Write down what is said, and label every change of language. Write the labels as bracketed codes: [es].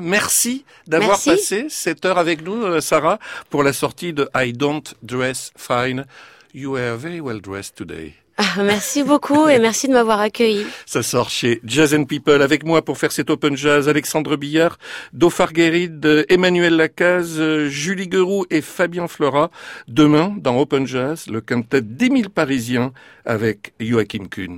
[fr] Merci d'avoir passé cette heure avec nous, Sarah, pour la sortie de I Don't Dress Fine. [en] You are very well dressed today. [fr] Merci beaucoup et merci de m'avoir accueilli. Ça sort chez Jazz and People. Avec moi pour faire cet Open Jazz, Alexandre Billard, Dofar Guérid, Emmanuel Lacaze, Julie Guerou et Fabien Flora. Demain, dans Open Jazz, le quintet des 1000 Parisiens avec Joachim Kuhn.